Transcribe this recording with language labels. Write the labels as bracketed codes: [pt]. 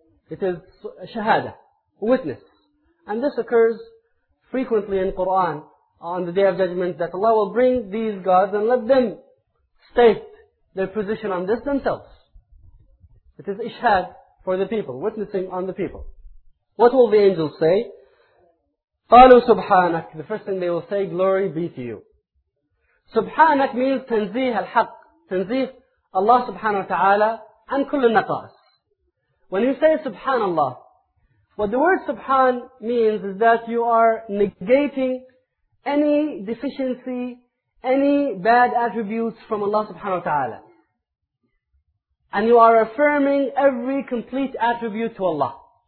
[en] It is a shahada, a witness. And this occurs frequently in Quran on the Day of Judgment, that Allah will bring these gods and let them state their position on this themselves. It is ishad for the people, witnessing on the people. What will the angels say? [ar] قَالُوا سُبْحَانَكَ. [en] The first thing they will say, glory be to you. [ar] سُبْحَانَكَ means تَنْزِيهَ الْحَقِّ. تَنْزِيه Allah subhanahu wa ta'ala عَنْ كُلُّ النَّقَاسِ. [en] When you say subhanallah, what the word subhan means is that you are negating any deficiency, any bad attributes from Allah subhanahu wa ta'ala. And you are affirming every complete attribute to Allah.